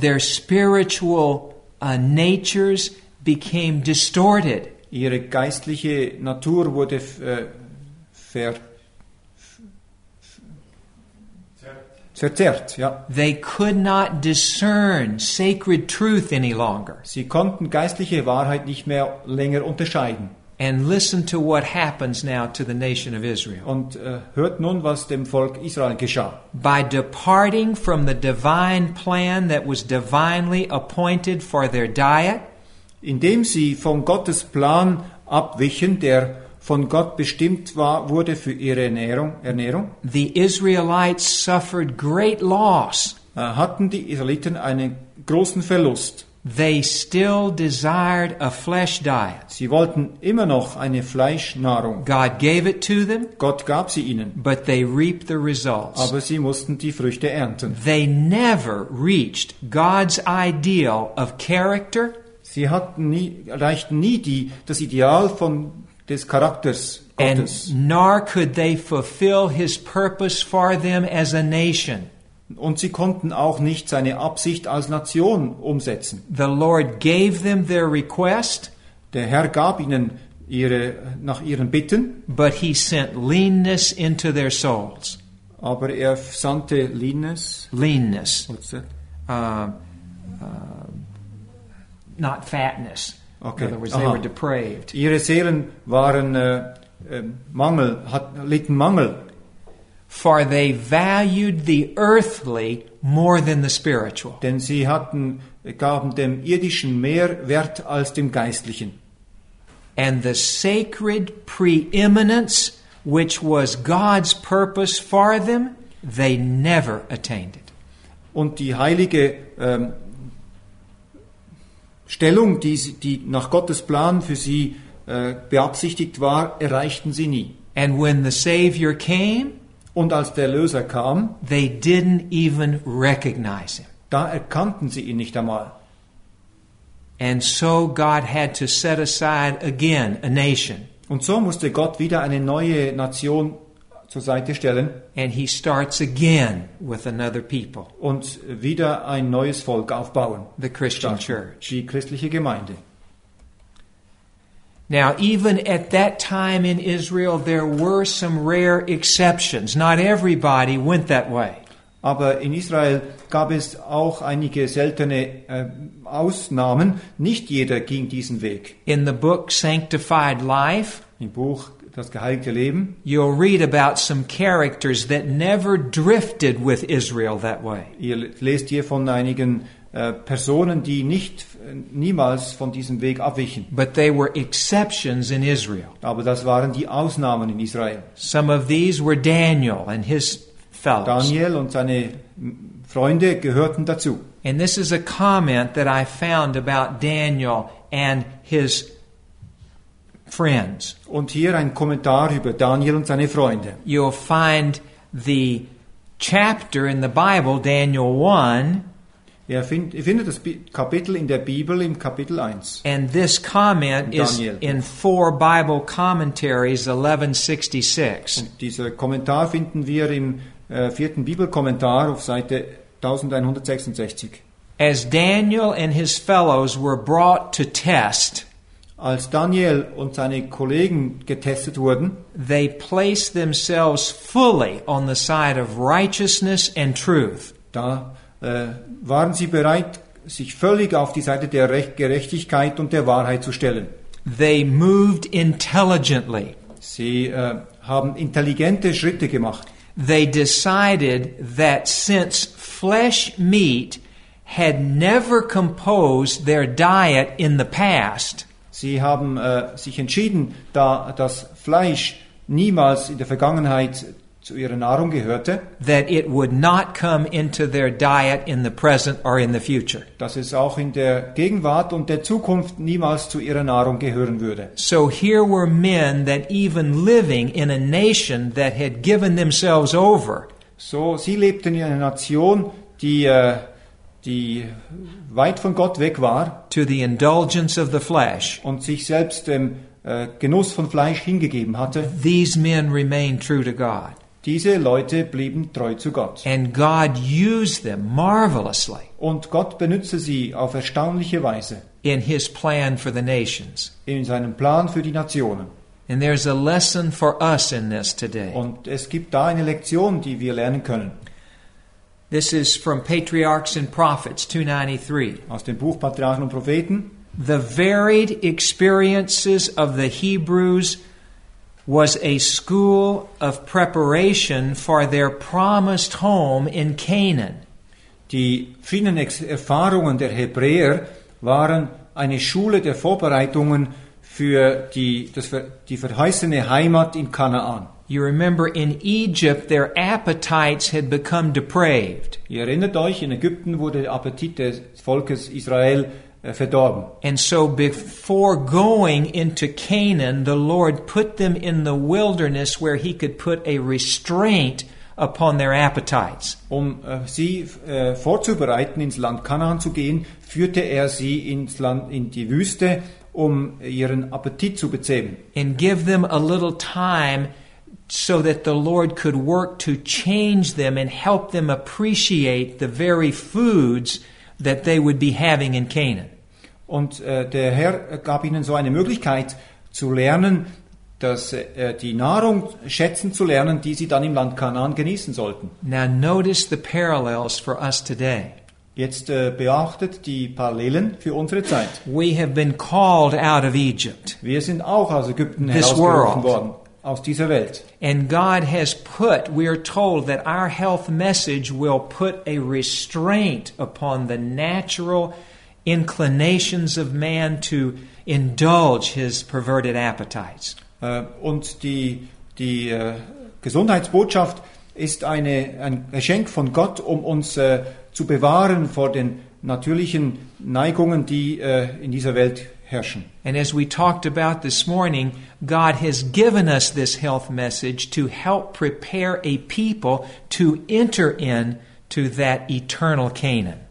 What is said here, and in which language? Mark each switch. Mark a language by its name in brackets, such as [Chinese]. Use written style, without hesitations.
[English] Their spiritual natures became distorted. [German] Ihre geistliche Natur wurde verzerrt. Ja. [English] They could not discern sacred truth any longer. [German] Sie konnten geistliche Wahrheit nicht mehr länger unterscheiden. [English] And listen to what happens now to the nation of Israel. [German] Und hört nun, was dem Volk Israel geschah. [English] By departing from the divine plan that was divinely appointed for their diet. [German] Indem sie von Gottes Plan abwichen, der von Gott bestimmt war, wurde für ihre Ernährung. [English] The Israelites suffered great loss. [German] Hatten die Israeliten einen großen Verlust. [English] They still desired a flesh diet. [German] Sie wollten immer noch eine Fleischnahrung. [English] God gave it to them. [German] Gott gab sie ihnen. [English] But they reaped the results. [German] Aber sie mussten die Früchte ernten. [English] They never reached God's ideal of character. [German] Sie hatten nie, erreichten nie die, das Ideal von des Charakters Gottes. [English] And nor could they fulfill His purpose for them as a nation. [German] Und sie konnten auch nicht seine Absicht als Nation umsetzen. [English] The Lord gave them their request. [German] Der Herr gab ihnen ihre, nach ihren Bitten. [English] But he sent leanness into their souls. [German] Aber er sandte leanness. [English] Leanness. Not fatness. Okay. In other words, they were depraved. [German] Ihre Seelen waren Mangel, litten Mangel. [English] For they valued the earthly more than the spiritual. [German] Denn sie hatten, gaben dem Irdischen mehr Wert als dem Geistlichen. [English] And the sacred preeminence, which was God's purpose for them, they never attained it. [German] Und die heilige Stellung, die nach Gottes Plan für sie beabsichtigt war, erreichten sie nie. [English] And when the Savior came, [German] und als der Löser kam, [English] they didn't even recognize him. [German] Da erkannten sie ihn nicht einmal. [English] And so God had to set aside again a nation. [German] Und so musste Gott wieder eine neue Nation zur Seite stellen. [English] And he starts again with another people. [German] Und wieder ein neues Volk aufbauen. [English] The Christian Church. [German] Die christliche Gemeinde. [English] Now, even at that time in Israel, there were some rare exceptions. Not everybody went that way. [German] Aber in Israel gab es auch einige seltene Ausnahmen. Nicht jeder ging diesen Weg. [English] In the book Sanctified Life, [German] im Buch Das geheilte Leben, [English] you'll read about some characters that never drifted with Israel that way. [German] Ihr lest hier von einigen Personen, die nicht niemals von diesem Weg abwichen. [English] But they were exceptions in Israel. [German] Aber das waren die Ausnahmen in Israel. [English] Some of these were Daniel and his fellows. [German] Daniel und seine Freunde gehörten dazu. [English] And this is a comment that I found about Daniel and his friends. [German] Und hier ein Kommentar über Daniel und seine Freunde. [English] You'll find the chapter in the Bible, Daniel 1. [German] Findet das Kapitel in der Bibel im Kapitel 1. [English] And this comment Daniel. Is in four Bible commentaries 1166. [German] Dieser Kommentar finden wir im vierten Bibelkommentar auf Seite 1166. [English] As Daniel and his fellows were brought to test, [German] als Daniel und seine Kollegen getestet wurden, [English] they placed themselves fully on the side of righteousness and truth. [German] Da waren sie bereit, sich völlig auf die Seite der Gerechtigkeit und der Wahrheit zu stellen. [English] They moved intelligently. [German] Sie haben intelligente Schritte gemacht. [English] They decided that since flesh meat had never composed their diet in the past, [German] sie haben sich entschieden, da das Fleisch niemals in der Vergangenheit zu ihrer Nahrung gehörte, [English] that it would not come into their diet in the present or in the future. [German] Dass es auch in der Gegenwart und der Zukunft niemals zu ihrer Nahrung gehören würde. [English] So here were men that even living in a nation that had given themselves over. [German] So sie lebten in einer Nation, die weit von Gott weg war, [English] to the indulgence of the flesh, [German] und sich selbst dem Genuss von Fleisch hingegeben hatte. [English] These men remained true to God. [German] Diese Leute blieben treu zu Gott. [English] And God used them marvelously. [German] Und Gott benutzte sie auf erstaunliche Weise. [English] In His plan for the nations. [German] In seinem Plan für die Nationen. [English] And there's a lesson for us in this today. [German] Und es gibt da eine Lektion, die wir lernen können. [English] This is from Patriarchs and Prophets 293. [German] Aus dem Buch Patriarchen und Propheten. [English] The varied experiences of the Hebrews was a school of preparation for their promised home in Canaan. [German] Die vielen Erfahrungen der Hebräer waren eine Schule der Vorbereitungen für die verheißene Heimat in Kanaan. [English] You remember in Egypt their appetites had become depraved. [German] Ihr erinnert euch, in Ägypten wurde der Appetit des Volkes Israel verdorben. [English] And so before going into Canaan, the Lord put them in the wilderness where he could put a restraint upon their appetites. [German] Um sie vorzubereiten, ins Land Kanaan zu gehen, führte er sie ins Land, in die Wüste, um ihren Appetit zu bezähmen. [English] And give them a little time so that the Lord could work to change them and help them appreciate the very foods that they would be having in Canaan. [German] Und der Herr gab ihnen so eine Möglichkeit zu lernen, dass die Nahrung schätzen zu lernen, die sie dann im Land Kanaan genießen sollten. [English] Now notice the parallels for us today. [German] Jetzt beachtet die Parallelen für unsere Zeit. [English] We have been called out of Egypt. [German] Wir sind auch aus Ägypten herausgerufen worden, aus dieser Welt. [English] And God has put, we are told that our health message will put a restraint upon the natural inclinations of man to indulge his perverted appetites. [German] Und die Gesundheitsbotschaft ist ein Geschenk von Gott, um uns zu bewahren vor den natürlichen Neigungen, die in dieser Welt herrschen. [English] And as we talked about this morning, God has given us this health message to help prepare a people to enter in to that eternal Canaan.